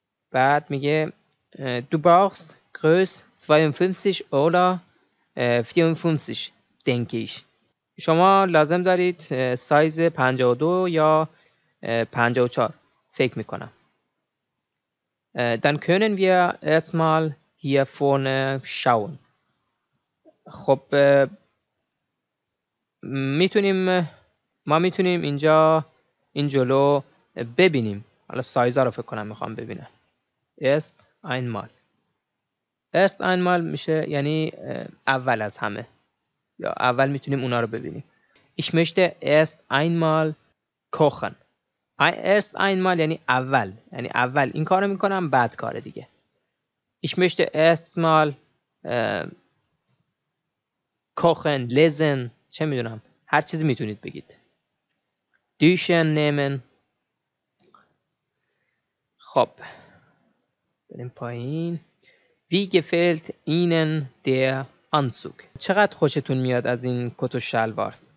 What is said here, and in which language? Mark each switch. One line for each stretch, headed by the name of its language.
Persian: بعد میگه
German: du brauchst größe 52 oder 54 denke ich،
Persian: شما لازم دارید سایز 52 یا 54 فکر میکنم.
German: dann können wir erstmal hier vorne schauen.
Persian: خب میتونیم، ما میتونیم اینجا این جلو ببینیم. حالا سایزا رو فکر کنم میخوام ببینم.
German: Erst einmal
Persian: میشه یعنی اول از همه، یا اول میتونیم اونا رو ببینیم.
German: Ich möchte erst einmal kochen. Erst einmal
Persian: یعنی اول، یعنی اول این کارو میکنم بعد کار دیگه.
German: Ich möchte erst mal kochen lesen.
Persian: چه میدونم، هر چیزی میتونید بگید.
German: دوشن نیمن.
Persian: خب بریم پایین.
German: وی گفلت اینن در آنسوگ،
Persian: چقدر خوشتون میاد از این کت و شلوار.